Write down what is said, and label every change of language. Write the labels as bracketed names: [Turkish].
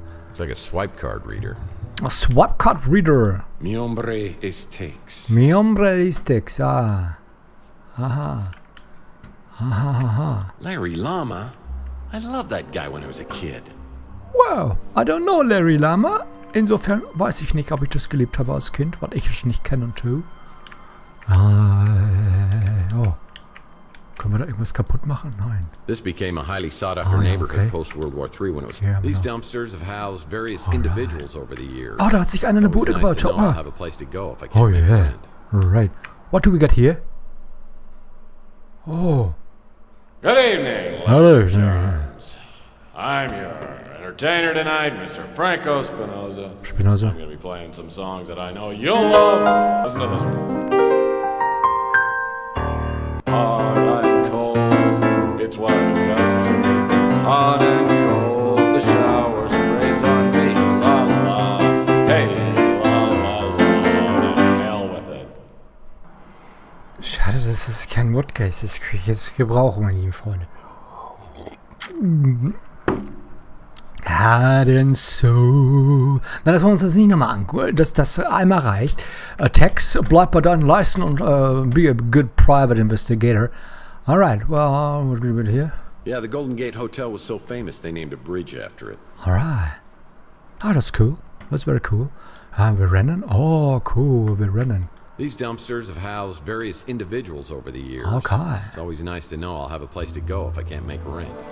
[English] It's like a swipe card reader. A swipe card reader. [Spanish] Mi hombre es Tex. Mi hombre es Tex. Ah. Ha ha. [English] Larry Lama. I loved that guy when I was a kid. Wow. I don't know Larry Lama. [German] Insofern weiß ich nicht, ob ich das geliebt habe als Kind, weil ich es nicht kenne und tue. Oh. Können wir da irgendwas kaputt machen? Nein. [English] This became a highly sought after neighborhood post-World War III when it was... These dumpsters have housed various individuals over the years. [German] Oh, da hat sich einer eine Bude gebaut. Schau mal. [English] Have a place to go if I can't make rent. Right. What do we got here? Oh. Good evening, ladies and gentlemen. I'm your entertainer tonight, Mr. Franco Spinoza. Spinoza. I'm going to be playing some songs that I know you'll love. Listen to this one. Hard and cold, it's what it does to me. Hard and cold, the shower sprays on me. La la, hey, la la la, to hell with it. [German] Schade, das ist kein Wodka, das kriege ich jetzt gebrauchen, meine lieben Freunde. [English] Hard and soul. [German] Na, das wollen wir uns jetzt nicht nochmal angucken. Das einmal reicht. Tex, bleib bei deinen Leisten und [English] be a good private investigator. Alright, well, what do we do here? Yeah, the Golden Gate Hotel was so famous, they named a bridge after it. Alright. Ah, oh, that's cool. That's very cool. [German] Wir rennen. Oh, cool. Wir rennen. [English] These dumpsters have housed various individuals over the years. Okay. It's always nice to know I'll have a place to go if I can't make rent.